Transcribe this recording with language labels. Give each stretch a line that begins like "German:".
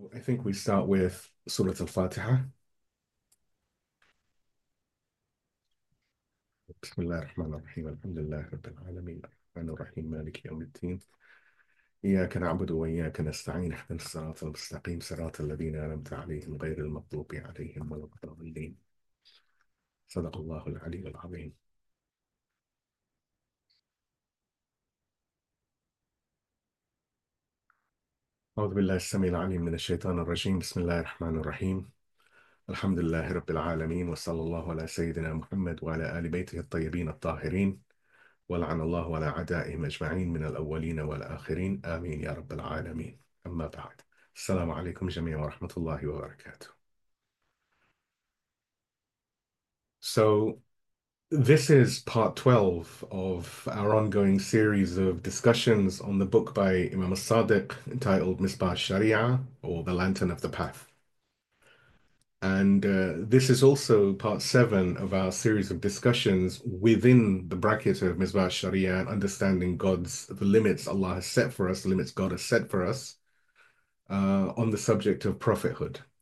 English: I think we start with Surah Al-Fatiha.
Arabic: بسم الله الرحمن الرحيم الحمد لله رب العالمين الرحمن الرحيم مالك يوم الدين إياك نعبد وإياك نستعين اهدنا الصراط المستقيم صراط الذين أنعمت عليهم غير المغضوب عليهم ولا الضالين. صدق الله العلي العظيم. أعوذ بالله السميع العليم من الشيطان الرجيم. بسم الله الرحمن الرحيم. الحمد لله رب العالمين، وصلى الله على سيدنا محمد وعلى آل بيته الطيبين الطاهرين، ولعن الله على أعدائهم أجمعين من الأولين والآخرين، آمين يا رب العالمين. أما بعد، السلام عليكم جميعا ورحمة الله وبركاته.
English: So this is part 12 of our ongoing series of discussions on the book by Imam al-Sadiq entitled Misbah al-Sharia, or The Lantern of the Path. And this is also part 7 of our series of discussions within the bracket of Misbah al-Sharia and understanding the limits Allah has set for us, the limits God has set for us, on the subject of prophethood.